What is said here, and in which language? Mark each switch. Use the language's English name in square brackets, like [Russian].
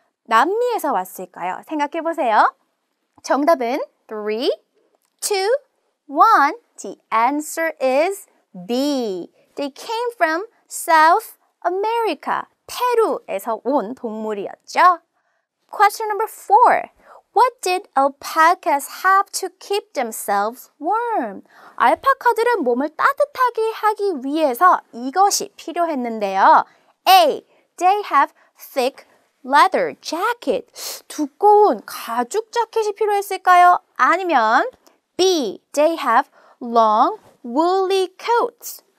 [Korean] 남미에서 왔을까요? 생각해 보세요. 정답은 3, 2, 1. [English] The answer is B. They came from South America. [Korean] 페루에서 온 동물이었죠. [English] Question number 4. What did alpacas have to keep themselves warm? [Korean] 알파카들은 몸을 따뜻하게 하기 위해서 이것이 필요했는데요. [English] A. They have thick leather jacket. [Korean] 두꺼운 가죽 자켓이 필요했을까요? 아니면 [English] B. They have long woolly coats.